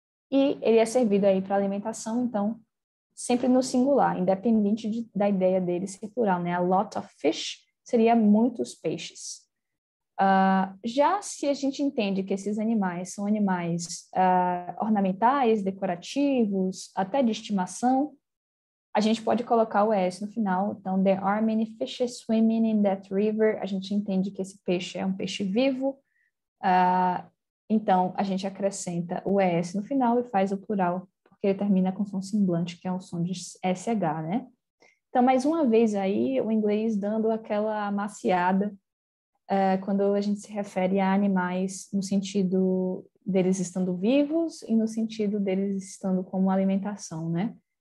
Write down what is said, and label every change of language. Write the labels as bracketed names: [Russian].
[Portuguese] E ele é servido aí para alimentação, então, sempre no singular, independente da ideia dele ser plural, né? [English] A lot of fish [Portuguese] seria muitos peixes. Já se a gente entende que esses animais são animais ornamentais, decorativos, até de estimação, a gente pode colocar o S no final. [English] Então, there are many fishes swimming in that river. [Portuguese] A gente entende que esse peixe é um peixe vivo. Então, a gente acrescenta o ES no final e faz o plural, porque ele termina com som sibilante, que é o som de SH, né? Então, mais uma vez aí, o inglês dando aquela amaciada, quando a gente se refere a animais no sentido deles estando vivos e no sentido deles estando como alimentação, né?